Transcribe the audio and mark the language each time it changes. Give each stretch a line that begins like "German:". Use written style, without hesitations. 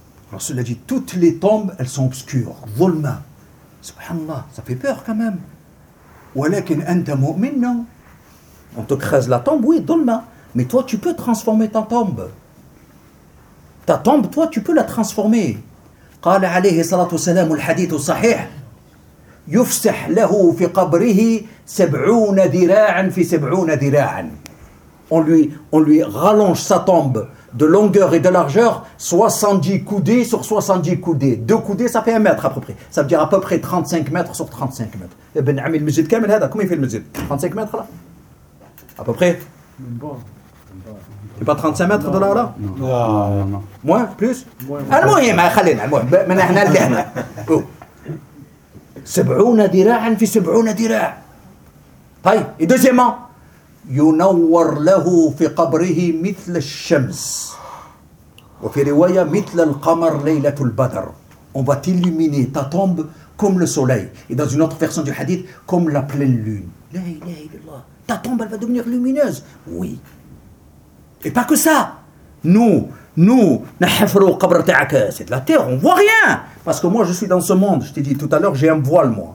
French: Alors cela dit, toutes les tombes, elles sont obscures. Dhulma. Subhanallah, ça fait peur quand même.
Arabic: Walakin anta mu'min,
French: non. On te creuse la tombe, oui, dhulma. Mais toi, tu peux transformer ta tombe. Ta tombe, toi, tu peux la transformer.
Arabic: Qala alayhi salatu salam al hadith sahih. يفسح له في قبره سبعون ذراعا في سبعون ذراعا.
French: On lui rallonge sa tombe de longueur et de largeur 70 coudées sur 70 coudées. Deux coudées, ça fait un mètre à peu près. Ça veut dire à peu près 35 mètres sur 35 mètres. Ibn Ami le Mujid, comment il fait le Mujid? 35 mètres là? À peu près? Il n'y a pas 35 mètres de là à là? Non.
Arabic: Moins? Plus? Al-Muhim, al-Muhim. Al-Muhim. سبعون ذراعا في سبعون ذراع. طيب deuxièmement, ينور له في قبره مثل الشمس وفي رواية مثل القمر ليلة البدر.
French: On va t'illuminer ta tombe comme le soleil, et dans une autre version du hadith comme la pleine lune.
Arabic: La ilaha illallah,
French: ta tombe elle va devenir lumineuse. Oui, et pas que ça.
Arabic: Nous, نحفر القبر تاعك.
French: C'est de la terre, on voit rien. Parce que moi, je suis dans ce monde. Je t'ai dit tout à l'heure, j'ai un voile.